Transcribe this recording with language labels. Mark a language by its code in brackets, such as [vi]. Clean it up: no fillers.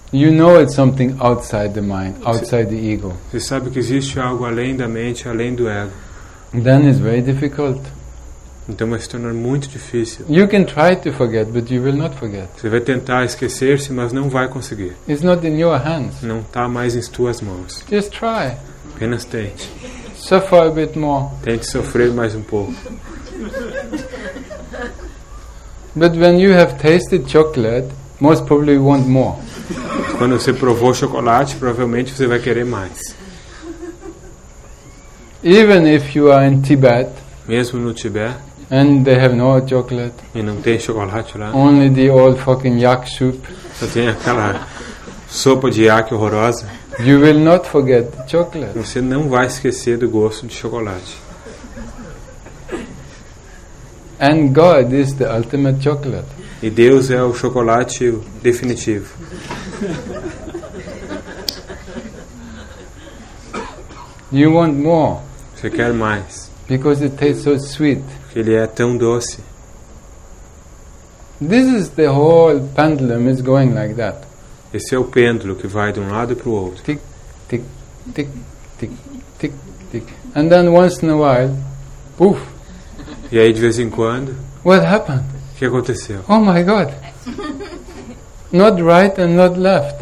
[en] You know it's something outside the mind, outside the ego. [pt] Você sabe que existe algo além da mente, além do ego. [en] Then it's very difficult. [pt] Então vai se tornar muito difícil. [en] You can try to forget, but you will not forget. [pt] Você vai tentar esquecer-se, mas não vai conseguir. [en] It's not in your hands. [pt] Não está mais em suas mãos. [en] Just try. [pt] Apenas tente. [en] Suffer a bit more. [pt] Tente sofrer mais um pouco. [en] But when you have tasted chocolate, most probably you want more. [pt] Quando você provou chocolate, provavelmente você vai querer mais. [en] Even if you are in Tibet. [pt] Mesmo no Tibete. [en] And they have no chocolate. [pt] E não tem chocolate lá. [en] Only the old fucking yak soup. [pt] Só tem aquela sopa de yak horrorosa. [en] You will not forget the chocolate. [pt] Você não vai esquecer do gosto de chocolate. [en] And God is the ultimate chocolate. [pt] E Deus é o chocolate definitivo. [en] You want more. [pt] Você quer mais. [en] Because it tastes so sweet. [pt] Porque ele é tão doce. [en] This is the whole pendulum is going like that. [pt] Esse é o pêndulo que vai de um lado para o outro. Tick, tick, tick, tick, tick, tick. [en] And then once in a while, poof. [pt] E aí de vez em quando? [en] What happened? [pt] O que aconteceu? [en] Oh my God! Not right and not left.